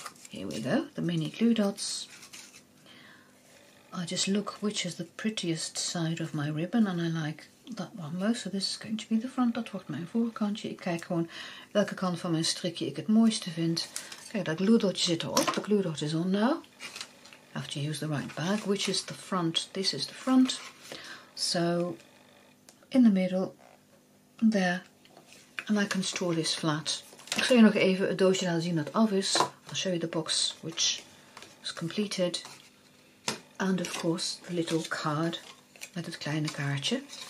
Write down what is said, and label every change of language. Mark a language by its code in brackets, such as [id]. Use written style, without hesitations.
[en] Here we go, the mini glue dots. I just look which is the prettiest side of my ribbon and I like that one most. So this is going to be the front, [nl] dat wordt mijn voorkantje. Ik kijk gewoon welke kant van mijn strikje ik het mooiste vind. Kijk, dat glue dotje zit erop. [en] The glue dot is on now. I have to use the right bag, which is the front. This is the front. So, in the middle, there. And I can store this flat. [nl] Ik zal je nog even het doosje laten zien dat af is. [en] I'll show you the box, which is completed. And of course, the little card [nl] met het kleine kaartje.